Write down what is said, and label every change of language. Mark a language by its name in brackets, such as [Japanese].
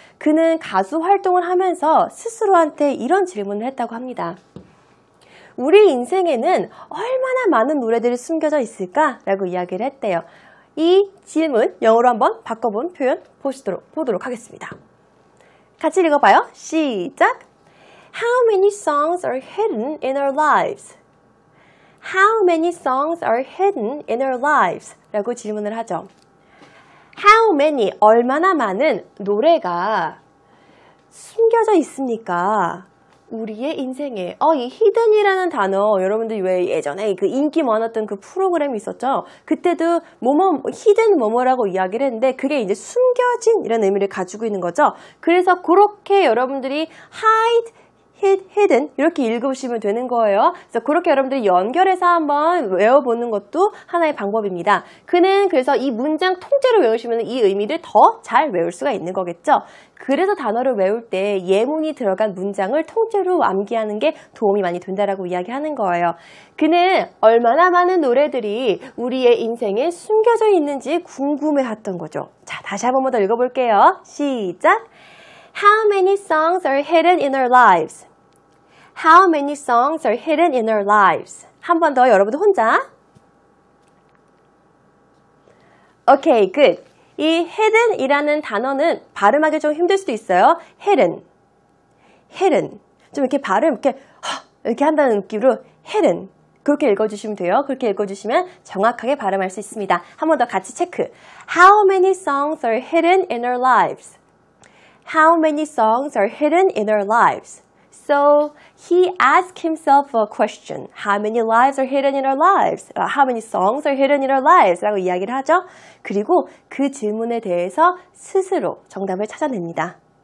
[Korean] 그는 가수 활동을 하면서 스스로한테 이런 질문을 했다고 합니다. 우리 인생에는 얼마나 많은 노래들이 숨겨져 있을까? 라고 이야기를 했대요. 이 질문 영어로 한번 바꿔본 표현 보도록 하겠습니다. 같이 읽어봐요. 시작! [English] How many songs are hidden in our lives? How many songs are hidden in our lives? [Korean] 라고 질문을 하죠. [English] How many, [Korean] 얼마나 많은 노래가 숨겨져 있습니까? 우리의 인생에. 이 히든이라는 단어, 여러분들 왜 예전에 그 인기 많았던 그 프로그램이 있었죠? 그때도 히든 뭐뭐라고 이야기를 했는데 그게 이제 숨겨진 이런 의미를 가지고 있는 거죠. 그래서 그렇게 여러분들이 hide, hidden 이렇게 읽으시면 되는 거예요. 그래서 그렇게 여러분들이 연결해서 한번 외워보는 것도 하나의 방법입니다. 그는 그래서 이 문장 통째로 외우시면 이 의미를 더 잘 외울 수가 있는 거겠죠. 그래서 단어를 외울 때 예문이 들어간 문장을 통째로 암기하는 게 도움이 많이 된다라고 이야기하는 거예요. 그는 얼마나 많은 노래들이 우리의 인생에 숨겨져 있는지 궁금해했던 거죠. 자, 다시 한 번 더 읽어볼게요. 시작! [English] How many songs are hidden in our lives? How many songs are hidden in our lives? [Korean] 한 번 더 여러분들 혼자. [English] Okay, good. [Korean] 이 hidden이라는 단어는 발음하기 좀 힘들 수도 있어요. Hidden, hidden. 좀 이렇게 발음 이렇게 한다는 느낌으로 hidden. 그렇게 읽어주시면 돼요. 그렇게 읽어주시면 정확하게 발음할 수 있습니다. 한 번 더 같이 체크. [English] How many songs are hidden in our lives? How many songs are hidden in our lives? So he asked himself a question. How many lives are hidden in our lives? How many songs are hidden in our lives? [Korean] 라고 이야기를 하죠. 그리고 그 질문에 대해서 스스로 정답을 찾아냅니다.